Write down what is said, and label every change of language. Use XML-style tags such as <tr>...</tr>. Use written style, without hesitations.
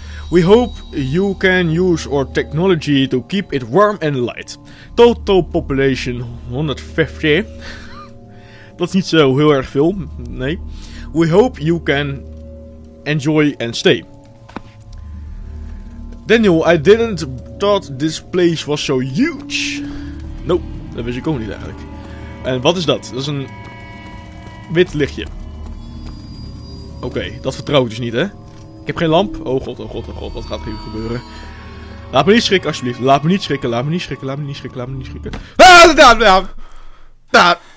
<en>We hope you can use our technology to keep it warm and light. Total population 150.</en> <nl>Dat is niet zo heel erg veel, nee.</nl> <en>We hope you can enjoy and stay. Daniel, I didn't thought this place was so huge.</en> <nl>Nope, dat wist ik ook niet eigenlijk. En wat is dat? Dat is een wit lichtje. Oké, dat vertrouw ik dus niet, hè? Ik heb geen lamp. Oh god, wat gaat hier gebeuren? Laat me niet schrikken, alsjeblieft. Laat me niet schrikken. Ah!</nl>